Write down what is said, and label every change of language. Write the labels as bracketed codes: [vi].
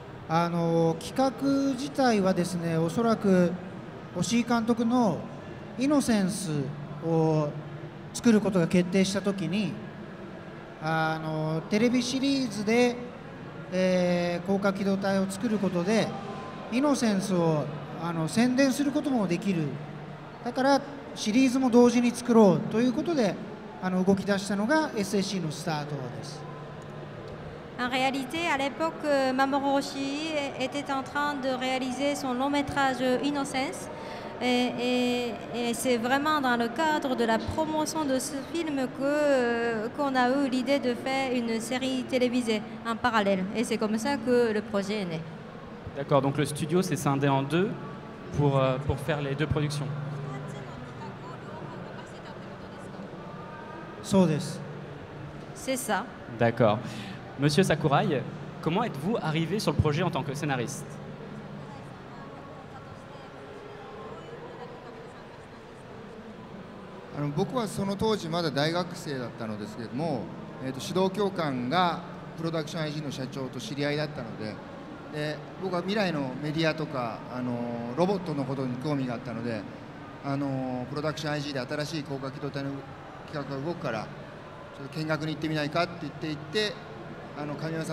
[ja] あの企画自体はですね、おそらく押井監督のイノセンスを作ることが決定したときに、あのテレビシリーズで、高架機動隊を作ることでイノセンスをあの宣伝することもできる、だからシリーズも同時に作ろうということで、あの動き出したのが SSC のスタートです。 [fr] En réalité, à l'époque, Mamoru Oshii était en train de réaliser son long métrage Innocence. Et c'est vraiment dans le cadre de la promotion de ce film que, qu'on a eu l'idée de faire une série télévisée en parallèle. Et c'est comme ça que le projet est né. D'accord, donc le studio s'est scindé en deux pour faire les deux productions. C'est ça. D'accord. Monsieur Sakurai, comment êtes-vous arrivé sur le projet en tant que scénariste ? [ja] あの、僕はその当時まだ大学生だったのですけれども、指導教官がプロダクション IG の社長と知り合いだったので、で僕は未来のメディアとかあのロボットのことに興味があったので、あのプロダクション IG で新しい高架機動隊の企画が動くからちょっと見学に行ってみないかって言って行って、